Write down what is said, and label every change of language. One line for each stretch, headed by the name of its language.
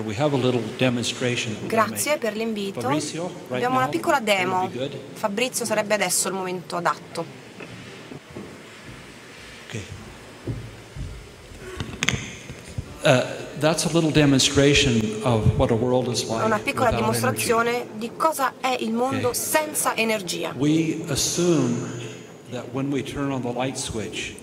English: We have a little demonstration.
Italian: Grazie per l'invito. Abbiamo una piccola demo. Fabrizio, sarebbe adesso il momento adatto.
English: Okay. That's a little demonstration of what a world is like.
Italian: Una piccola dimostrazione di cosa è il mondo senza energia.
English: We assume that when we turn on the light switch,